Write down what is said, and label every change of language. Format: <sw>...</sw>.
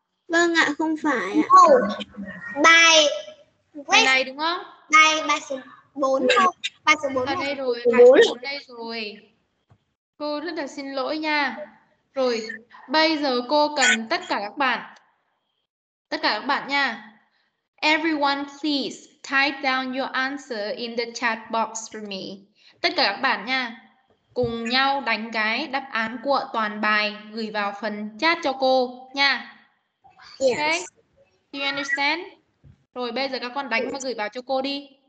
<vi>Vâng ạ, không phải ạ. Không. Bài... Bài này đúng không? Bài bài số 4 không? Bài số 4 đây rồi, bài số 4 đây rồi. Cô rất là xin lỗi nha. Rồi, bây giờ cô cần tất cả các bạn. Tất cả các bạn nha.</vi> <en>Everyone please type down your answer in the chat box for me.</en> <vi>Tất cả các bạn nha, cùng nhau đánh cái đáp án của toàn bài gửi vào phần chat cho cô nha.</vi> <en>Yes. Okay. Do you understand?</en> <vi>Rồi bây giờ các con đánh và gửi vào cho cô đi.</vi>